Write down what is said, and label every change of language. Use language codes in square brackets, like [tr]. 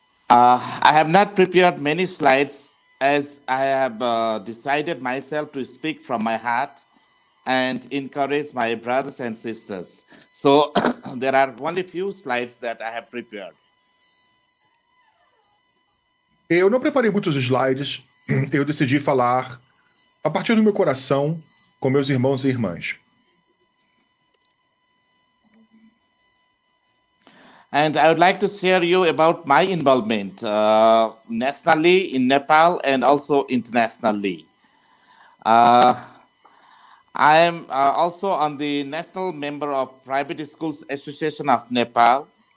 [en] I have not prepared many slides as I have decided myself to speak from my heart and encourage my brothers and sisters. So there are only few slides that I have prepared. [pt] Eu não preparei muitos slides, eu decidi falar a partir do meu coração com meus irmãos e irmãs. [en] And I would like to share you about my involvement nationally in Nepal and also internationally. I am also on the national member of Private Schools Association of Nepal.